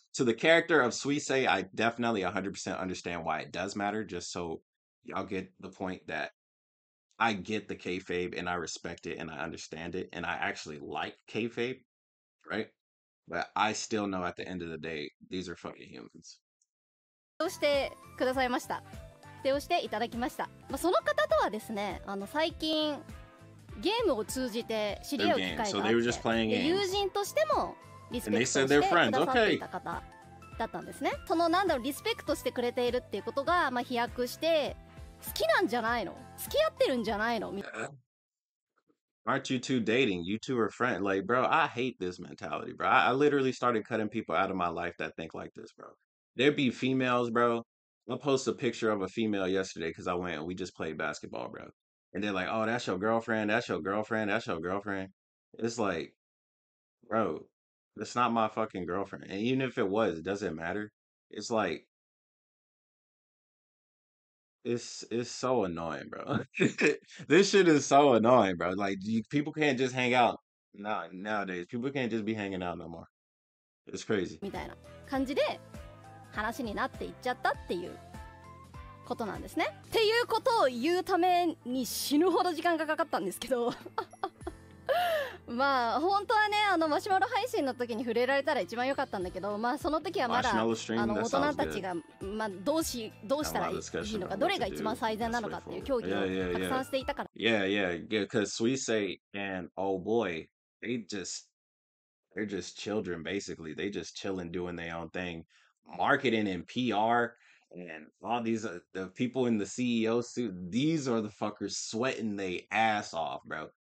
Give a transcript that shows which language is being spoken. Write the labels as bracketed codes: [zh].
[en] To the character of Suisei, I definitely 100% understand why it does matter. Just so y'all get the point that I get the kayfabe and I respect it and I understand it. And I actually like kayfabe, right? But I still know at the end of the day, these are fucking humans. [ja] どうしてくださいました。どうしていただきました。まあ、その方とはですね、最近ゲームを通じて知り合う機会があって、友人としてもリスペクトしてくださっていた方だったんですね。その、なんだろう、リスペクトしてくれているっていうことが、まあ、飛躍して、好きなんじゃないの？付き合ってるんじゃないの？みたいな。 [en] Aren't you two dating? You two are friends. Like, bro, I hate this mentality, bro. I literally started cutting people out of my life that think like this, bro. There'd be females, bro. I'll post a picture of a female yesterday because I went and we just played basketball, bro. And they're like, oh, that's your girlfriend. That's your girlfriend. That's your girlfriend. It's like, bro, that's not my fucking girlfriend. And even if it was, does it matter? It's like, It's so annoying, bro. This shit is so annoying, bro. Like, people can't just hang out nowadays. People can't just be hanging out no more. It's crazy. [ja] みたいな感じで話になっていっちゃったっていうことなんですね。っていうことを言うために死ぬほど時間がかかったんですけど。まあ本当はね、あのマシュマロ配信の時に触れられたら一番良かったんだけど、まあその時はまだあの大人たちが、まあ、どうしたらいいのか、どれが一番最善なのかっていう協議をたくさんしていたから。 [en] Yeah, cause Suisei and old boy, they're just children basically. They just chilling doing their own thing, marketing and PR. And all these the people in the CEO suit, these are the fuckers sweating their ass off, bro.